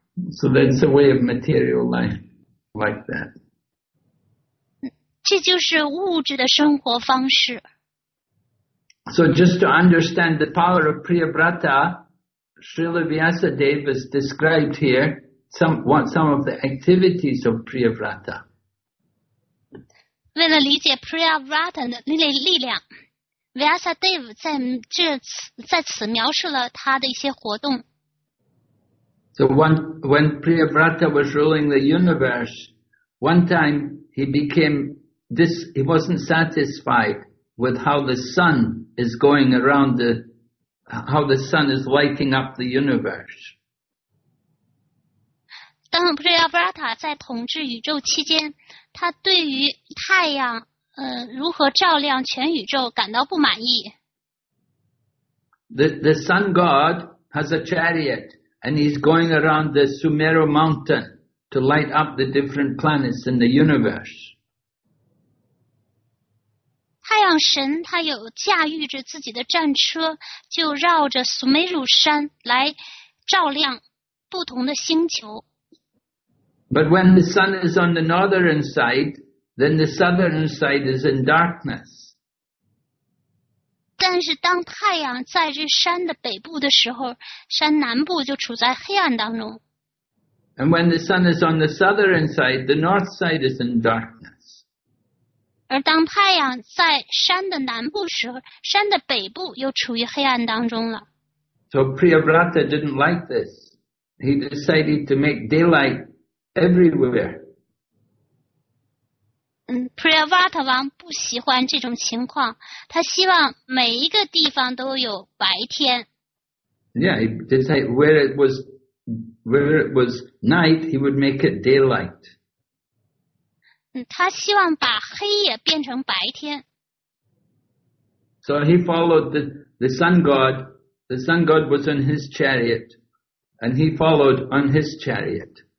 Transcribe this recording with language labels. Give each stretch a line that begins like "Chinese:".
English: So that's a way of material life, like that.
Chinese: 这就是物质的生活方式。
English: So just to understand the power of Priyavrata, Srila Vyasadeva is described here some of the activities of Priyavrata.
Chinese: 为了理解 Priyavrata 的力量 Vyasadeva 在此描述了他的一些活动。
English: So when Priyavrata was ruling the universe, one time he wasn't satisfied with how the sun is going around how the sun is lighting up the universe.
Chinese: 当 Priyavrata 在统治宇宙期间，他对于太阳如何照亮全宇宙感到不满意。
English: The sun god has a chariot and he's going around the Sumeru mountain to light up the different planets in the universe.
Chinese: 太阳神他有驾驭着自己的战车，就绕着 Sumeru 山来照亮不同的星球。
English: But when the sun is on the northern side, then the southern side is in darkness.
Chinese: 但是当太阳在这山的北部的时候，山南部就处在黑暗当中。
English: And when the sun is on the southern side, the north side is in darkness.
Chinese: 而当太阳在山的南部时候，山的北部又处于黑暗当中了。
English: So Priyavrata didn't like this. He decided to make daylight. Everywhere.
Chinese: Priyavrata 王不喜欢这种情况，他希望每一个地方都有白天。
English: Yeah, he decided where it was night, he would make it daylight.
Chinese: 他希望把黑夜变成白天。
English: So he followed the sun god. The sun god was in his chariot, and he followed on his chariot.